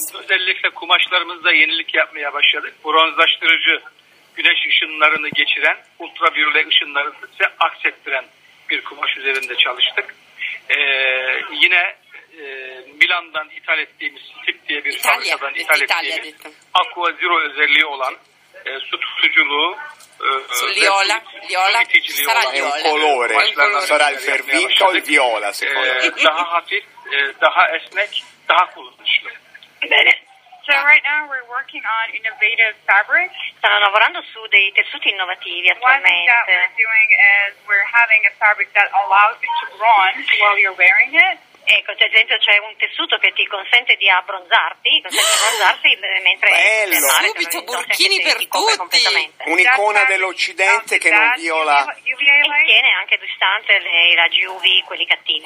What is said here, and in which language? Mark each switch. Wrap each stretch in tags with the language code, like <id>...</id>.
<tr>Özellikle kumaşlarımızda yenilik yapmaya başladık. Bronzlaştırıcı, güneş ışınlarını geçiren, ultraviyole ışınlarını aksettiren bir kumaş üzerinde çalıştık. Yine Milan'dan ithal ettiğimiz Tip diye bir fabrikadan ithal ettiğimiz Aqua Zero özelliği olan su tutuculuğu</tr> <it>Liola, Liola, Liola. Sarà Liola. È un colore, sarà il vermiglio o il viola secondo</it> <tr>daha hafif, daha esnek, daha kullanışlı.</tr> <en>So right now we're working on innovative fabric.</en> <it>Stanno lavorando su dei tessuti innovativi attualmente.</it> <en>One thing that we're doing is we're having a fabric that allows it to bronze while you're wearing it.</en> <it>Ecco, cioè, ad esempio c'è un tessuto che ti consente di abbronzarti, mentre bello. Subito burkini per tutti, un'icona dell'Occidente che non viola e tiene anche distante la GUV, quelli cattivi.</it>